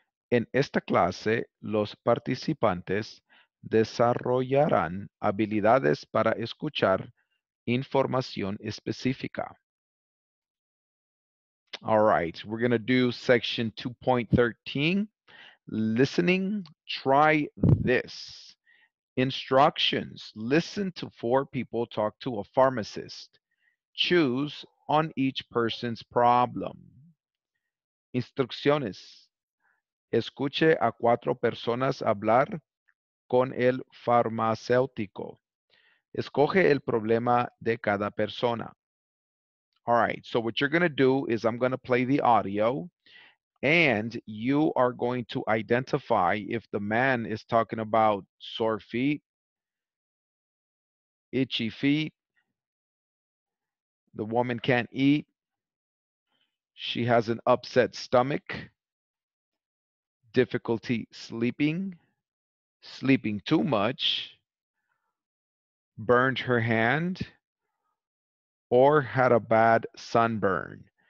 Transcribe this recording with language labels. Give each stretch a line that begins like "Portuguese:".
Spanish: En esta clase, los participantes desarrollarán habilidades para escuchar información específica.
English: All right, we're going to do section 2.13, listening, try this. Instructions, listen to four people talk to a pharmacist. Choose on each person's problem.
Spanish: Instrucciones, escuche a cuatro personas hablar con el farmacéutico. Escoge el problema de cada persona.
English: All right, so what you're going to do is I'm going to play the audio and you are going to identify if the man is talking about sore feet, itchy feet, the woman can't eat, she has an upset stomach, difficulty sleeping, sleeping too much, burned her hand, or had a bad sunburn.